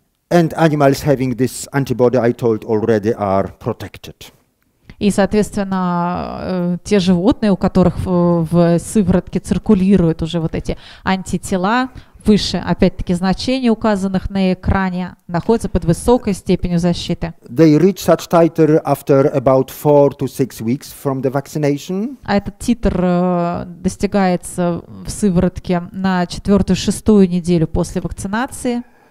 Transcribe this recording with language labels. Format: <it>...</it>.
<en>And animals having this antibody, I told already, are protected.</en> <ru>И, соответственно, те животные, у которых в сыворотке циркулируют уже вот эти антитела, выше, опять-таки, значений, указанных на экране, находятся под высокой степенью защиты.</ru> <en>They reach such titer after about 4 to 6 weeks from the vaccination.</en> <ru>А этот титр достигается в сыворотке на 4-6 неделю после вакцинации.</ru>